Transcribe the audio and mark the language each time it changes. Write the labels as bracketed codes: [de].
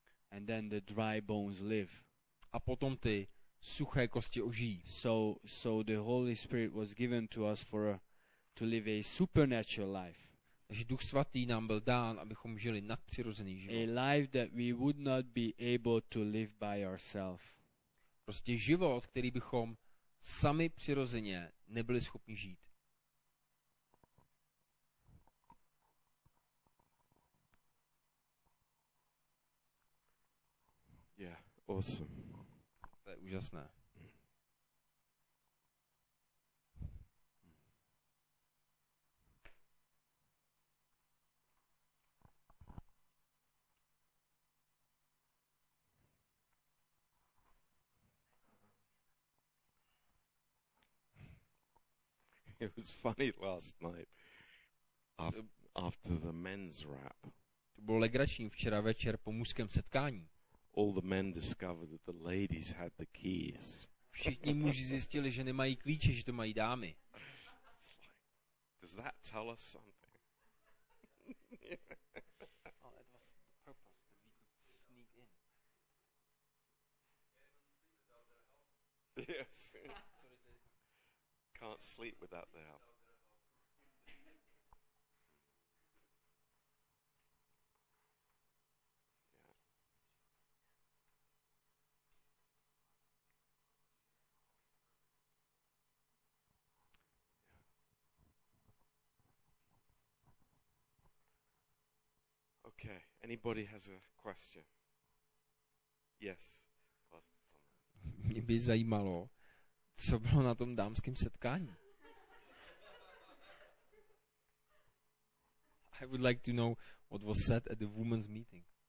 [en] And then the dry bones live. [cs] A potom ty suché kosti ožijí. [en] So the Holy Spirit was given to us for to live a supernatural life. [cs] Takže Duch Svatý nám byl dán, abychom žili nadpřirozený život. [en] A life that we would not be able to live by ourselves. [cs] Prostě život, který bychom sami přirozeně nebyli schopni žít. [en] Yeah, awesome. [cs] To je úžasné. [en] It was funny last night. After the men's wrap. [cs] To bylo legrační včera večer po mužském setkání. [en] All the men discovered that the ladies had the keys. [cs] Všichni muži zjistili, že nemají klíče, že to mají dámy. [en] It's like, does that tell us something? Oh, it was the purpose that we could sneak in. Yes. Can't sleep without the help. Okay, anybody has a question? Yes. [cs] Mě by zajímalo, co bylo na tom dámském setkání. [en] I would like to know what was said at the women's meeting.